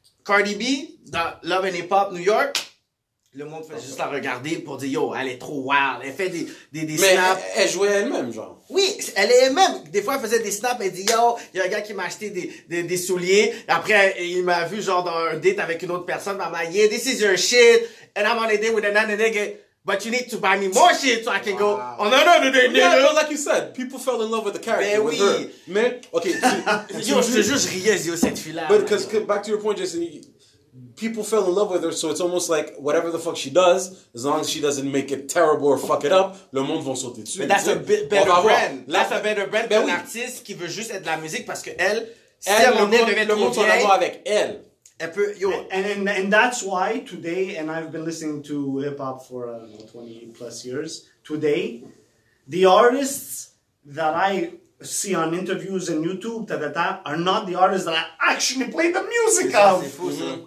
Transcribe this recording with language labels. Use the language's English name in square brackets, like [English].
[French] Cardi B, dans Love and Hip Hop New York, le monde fait juste la regarder pour dire, yo, elle est trop wild. Elle fait des snaps. Mais elle jouait elle-même, genre. Oui, elle est elle-même. Des fois, elle faisait des snaps, elle dit, yo, il y a un gars qui m'a acheté des souliers. Après, il m'a vu, genre, dans un date avec une autre personne. [English] Maman, yeah, this is your shit. And I'm on a date with another nigga. But you need to buy me more shit so I can go on another day. Yeah, like you said, people fell in love with the character. [French] Mais with her. Mais, ok. Je te jure, cette fille-là. [English] But because, back to your point, Jason, people fell in love with her, so it's almost like whatever the fuck she does, as long as she doesn't make it terrible or fuck it up, [French] le monde va sauter dessus. [English] But that's a better brand. [French] That's a better brand pour un artiste qui veut juste être de la musique parce que elle, si elle devait le monde en avoir avec elle. [English] And that's why today, and I've been listening to hip hop for 20 plus years. Today, the artists that I see on interviews and YouTube are not the artists that I actually play the music of. Mm-hmm.